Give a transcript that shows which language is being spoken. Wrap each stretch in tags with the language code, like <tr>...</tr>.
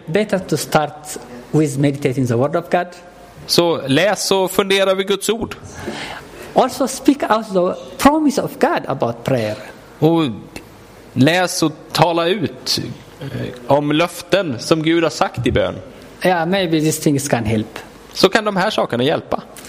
<en>better to start with meditating the word of God.</en> <sv>Så läs och fundera vid Guds ord.</sv> <en>Also speak out the promise of God about prayer.</en> <sv>Och läs och tala ut om löften som Gud har sagt i bön.</sv> <en>Yeah, maybe these things can help.</en> <sv>Så kan de här sakerna hjälpa.</sv>